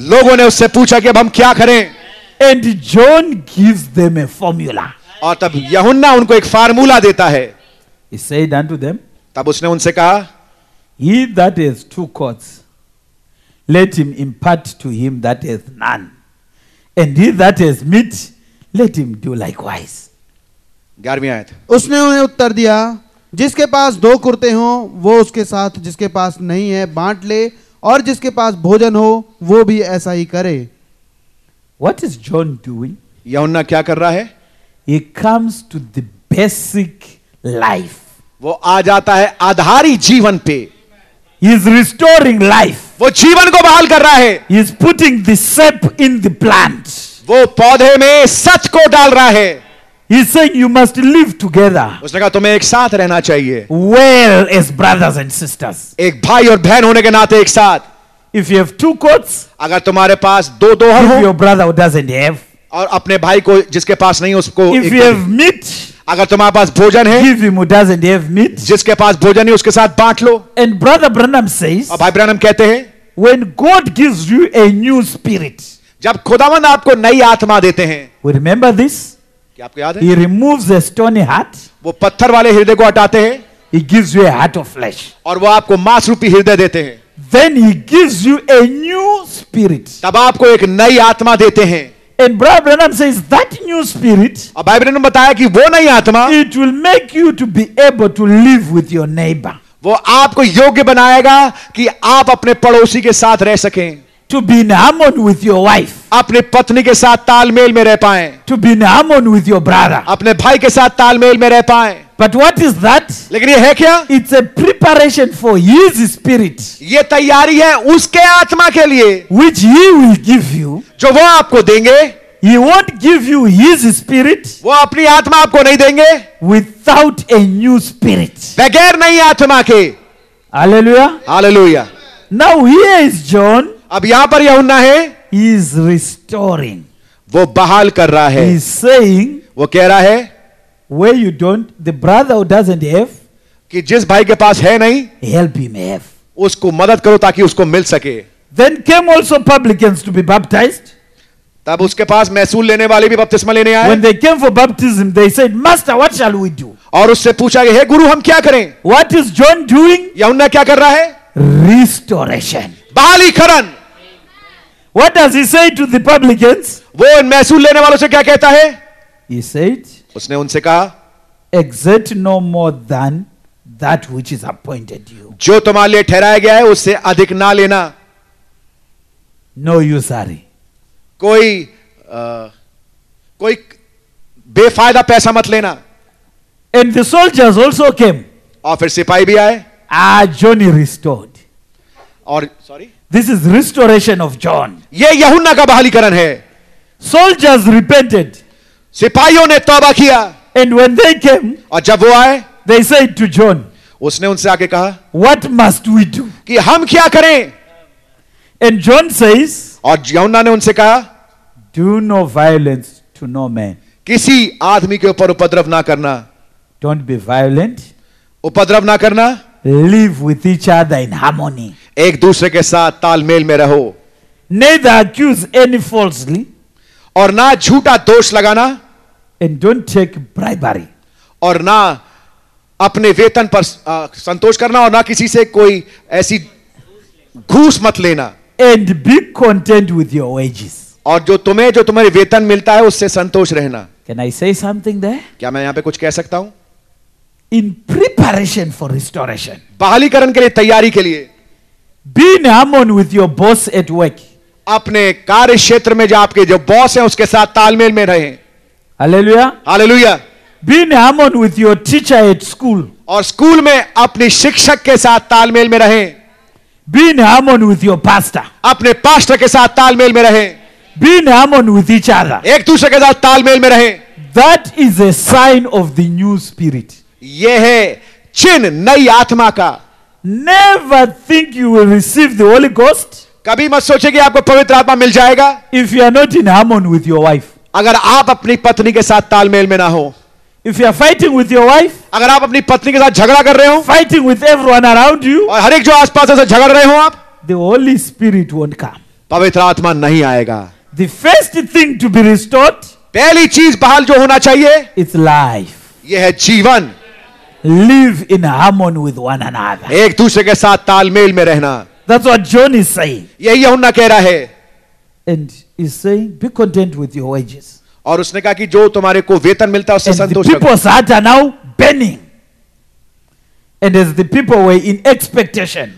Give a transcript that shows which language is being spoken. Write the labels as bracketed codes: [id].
[hi] लोगों ने उससे पूछा कि अब हम क्या करें? [en] And John gives them a formula. [hi] और तब यहुन्ना उनको एक फार्मूला देता है. [en] He said unto them, [hi] तब उसने उनसे कहा, [en] "He that has two coats, let him impart to him that has none." And he that has meat, let him do likewise. [hi] उसने उन्हें उत्तर दिया, जिसके पास दो कुर्ते हों, वो उसके साथ जिसके पास नहीं है बांट ले, और जिसके पास भोजन हो, वो भी ऐसा ही करे. [en] What is John doing? [hi] यहुन्ना क्या कर रहा है? [en] He comes to the basic life. [hi] वो आ जाता है आधारी जीवन पे. [en] He is restoring life. [hi] वो जीवन को बहाल कर रहा है. [en] He is putting the sap in the plant. [hi] वो पौधे में सच को डाल रहा है. [en] He is saying you must live together. [hi] उसने कहा तुम्हें एक साथ रहना चाहिए. [en] Well, as brothers and sisters. [hi] एक भाई और बहन होने के नाते एक साथ. [en] If you have two coats, [hi] अगर तुम्हारे पास दो दोहर हो, [en] your brother doesn't have, [hi] और अपने भाई को जिसके पास नहीं उसको [en] if you have meat, [hi] अगर तुम्हारे पास भोजन है, [en] give him who doesn't have meat, [hi] जिसके पास भोजन है उसके साथ बांट लो. [en] And brother Branham says, [hi] और भाई ब्रैनम कहते हैं, [en] when God gives you a new spirit, [hi] जब खुदावंद आपको नई आत्मा देते हैं, [en] we remember this, [hi] कि आपको याद है? [en] He removes a stony heart, [hi] वो पत्थर वाले हृदय को हटाते हैं, [en] he gives you a heart of flesh, [hi] और वो आपको मांस रूपी हृदय देते हैं. [en] Then he gives you a new spirit. [hi] तब आपको एक नई आत्मा देते हैं. [en] And Brother Branham says that new spirit. [hi] अब भाई ब्रैनम बताया कि वो नई आत्मा. [en] It will make you to be able to live with your neighbor. [hi] वो आपको योग्य बनाएगा कि आप अपने पड़ोसी के साथ रह सकें. [en] To be in harmony with your wife. [hi] अपने पत्नी के साथ तालमेल में रह पाएं. [en] To be in harmony with your brother. [hi] अपने भाई के साथ तालमेल में रह पाएं. [en] But what is that? [hi] लेकिन ये है क्या? [en] It's a preparation for His Spirit. [hi] ये तैयारी है उसके आत्मा के लिए. [en] Which He will give you. [hi] जो वो आपको देंगे. [en] He won't give you His Spirit. [hi] वो अपनी आत्मा आपको नहीं देंगे. [en] Without a new spirit. [hi] बगैर नई आत्मा के. [en] Hallelujah. Hallelujah. Now here is John. [hi] अब यहाँ पर यूहन्ना है. [en] He is restoring. [hi] वो बहाल कर रहा है. [en] He is saying. [hi] वो कह रहा है. [en] Where you don't, the brother who doesn't have, [hi] कि जिस भाई के पास है नहीं, [en] help him have, [hi] उसको मदद करो ताकि उसको मिल सके. [en] Then came also publicans to be baptized. [hi] तब उसके पास महसूल लेने वाले भी बपतिस्मा लेने आए. [en] When they came for baptism, they said, Master, what shall we do? [hi] और उससे पूछा गया, हे गुरु हम क्या करें? [en] What is John doing? [hi] यूहन्ना क्या कर रहा है? [en] Restoration. [hi] बहालीकरण. [en] What does he say to the publicans? [hi] वो इन महसूल लेने वालों से क्या कहता है? [en] He said. [hi] उसने उनसे कहा, [en] exert no more than that which is appointed you. [hi] जो तुम्हारे लिए ठहराया गया है उससे अधिक ना लेना. [en] No usury. [hi] कोई बेफायदा पैसा मत लेना. [en] And the soldiers also came. [hi] और फिर सिपाही भी आए. [en] Ah, John is restored. [hi] और sorry, [en] this is restoration of John. [hi] ये यूहन्ना का बहालीकरण है. [en] Soldiers repented. [hi] सिपाहियों ने तौबा किया. [en] And when they came, [hi] और जब वो आए, [en] they said to John, [hi] उसने उनसे आके कहा, [en] what must we do? [hi] कि हम क्या करें? [en] And John says, [hi] और यूहन्ना ने उनसे कहा, [en] do no violence to no man. [hi] किसी आदमी के ऊपर उपद्रव ना करना. [en] Don't be violent. [hi] उपद्रव ना करना. [en] Live with each other in harmony. [hi] एक दूसरे के साथ तालमेल में रहो. [en] Neither accuse any falsely. [hi] और ना झूठा दोष लगाना. [en] And don't take bribery. [hi] और ना अपने वेतन पर संतोष करना. और ना किसी से कोई ऐसी घूस मत लेना. [en] And be content with your wages. [hi] और जो तुम्हें जो तुम्हारे वेतन मिलता है उससे संतोष रहना. [en] Can I say something there? [hi] क्या मैं यहां पे कुछ कह सकता हूं? [en] In preparation for restoration. [hi] बहालीकरण के लिए तैयारी के लिए. [en] Be in harmony with your boss at work. [hi] अपने कार्य क्षेत्र में जो आपके जो बॉस हैं उसके साथ तालमेल में रहें. Hallelujah. Hallelujah. [en] Be in harmony with your teacher at school. [hi] और स्कूल में अपने शिक्षक के साथ तालमेल में रहें. [en] Be in harmony with your pastor. [hi] अपने पास्टर के साथ तालमेल में रहें. [en] Be in harmony with each other. [hi] एक दूसरे के साथ तालमेल में रहें. [en] That is a sign of the new spirit. [hi] यह है चिन्ह नई आत्मा का. [en] Never think you will receive the Holy Ghost. [hi] कभी मत सोचे कि आपको पवित्र आत्मा मिल जाएगा. [en] If you are not in harmony with your wife. [hi] अगर आप अपनी पत्नी के साथ तालमेल में ना हो. [en] If you are fighting with your wife. [hi] अगर आप अपनी पत्नी के साथ झगड़ा कर रहे हो. [en] Fighting with everyone around you. [hi] और हर एक जो आसपास है से झगड़ रहे हो आप. [en] The Holy Spirit won't come. [hi] पवित्र आत्मा नहीं आएगा. [en] The first thing to be restored. [hi] पहली चीज बहाल जो होना चाहिए. [en] It's life. [hi] यह है जीवन. [en] Live in harmony with one another. [hi] एक दूसरे के साथ तालमेल में रहना. [en] That's what John is saying. [hi] यही यूहन्ना कह रहा है. [en] And he's saying, be content with your wages. [hi] और उसने कहा कि जो तुम्हारे को वेतन मिलता है उससे संतोष करो. [en] People's hearts are now burning. And as the people were in expectation.